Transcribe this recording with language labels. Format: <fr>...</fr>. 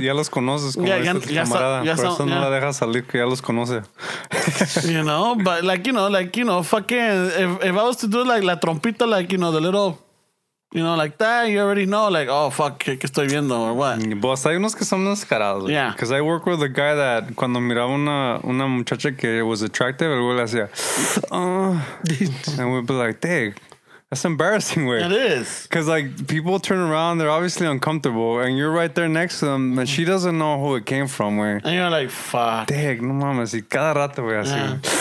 <es>que ya los conoces como yeah, este ya camarada, ya por eso yeah. No la dejas salir que ya los conoce.</es> <en>You know, but like you know, fucking if I was to do like la trompita, like, you know, the little, you know, like that, you already know, like, oh fuck, ¿qué estoy viendo or what?</en> <es>Pues hay unos que son mascarados.</es> <en>Yeah. Because I work with a guy that cuando miraba una muchacha que was attractive, el güey le hacía, and we'd be like, dang, that's embarrassing, güey. It is. Because like people turn around, they're obviously uncomfortable, and you're right there next to them, and she doesn't know who it came from, güey. And you're like, fuck.</en> <es>Dang, no mames, y cada rato, güey, así.</es>